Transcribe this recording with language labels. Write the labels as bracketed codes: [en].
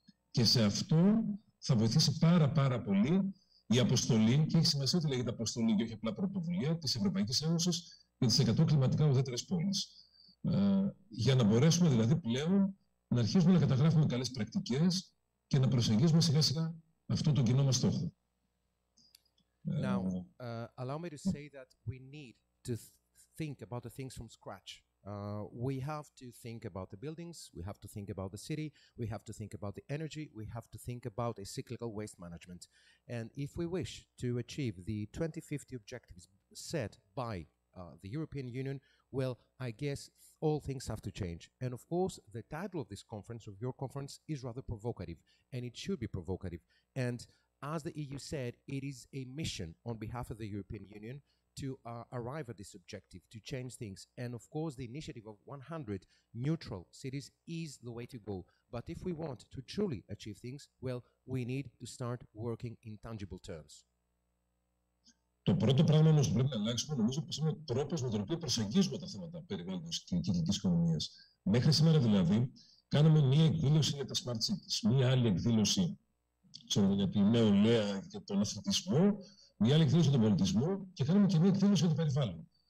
[el] Και σε αυτό θα βοηθήσει πάρα πολύ η αποστολή, και έχει σημασία ότι λέγεται αποστολή και όχι απλά πρωτοβουλία, της Ευρωπαϊκής Ένωσης και της 100 κλιματικά ουδέτερες πόλεις. Για να μπορέσουμε δηλαδή πλέον να αρχίσουμε να καταγράφουμε καλές πρακτικές και να προσεγγίσουμε σιγά σιγά αυτό τον κοινό μας στόχο. [en] Now, allow me to say that we need to think about the things from scratch. We have to think about the buildings, we have to think about the city, we have to think about the energy, we have to think about a cyclical waste management. And if we wish to achieve the 2050 objectives set by the European Union, well, I guess all things have to change. And of course, the title of this conference, of your conference, is rather provocative, and it should be provocative. And as the EU said, it is a mission on behalf of the European Union to arrive at this objective, to change things. And of course, the initiative of 100 neutral cities is the way to go. But if we want to truly achieve things, well, we need to start working in tangible terms. [el] Το πρώτο πράγμα όμως που πρέπει να αλλάξουμε, νομίζω, πως είναι ο τρόπος με τον οποίο προσεγγίζουμε τα θέματα περιβάλλοντος και κοινωνικής οικονομίας. Μέχρι σήμερα, δηλαδή, κάναμε μία εκδήλωση για τα smart cities, μία άλλη εκδήλωση, ξέρω, για την νεολαία και τον αθλητισμό, μια άλλη εκδήλωση για τον πολιτισμό και κάνουμε και μια εκδήλωση για το περιβάλλον.